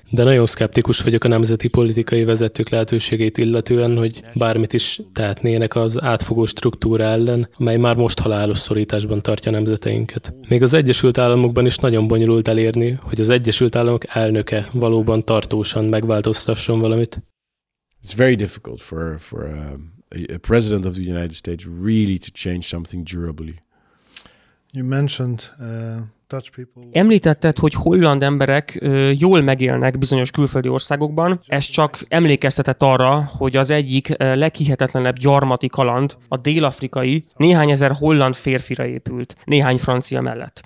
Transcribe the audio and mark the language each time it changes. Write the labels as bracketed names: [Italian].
[Hungarian] De nagyon szkeptikus vagyok a nemzeti politikai vezetők lehetőségét illetően, hogy bármit is tehetnének az átfogó struktúra ellen, amely már most halálos szorításban tartja nemzeteinket. Még az Egyesült Államokban is nagyon bonyolult elérni, hogy az Egyesült Államok elnöke valóban tartósan megváltoztasson valamit. [English] It's very difficult for a president of the United States really to change something durably. You mentioned [Hungarian] Említetted, hogy holland emberek jól megélnek bizonyos külföldi országokban. Ez csak emlékeztetett arra, hogy az egyik leghihetetlenebb gyarmati kaland, a dél-afrikai, néhány ezer holland férfira épült, néhány francia mellett.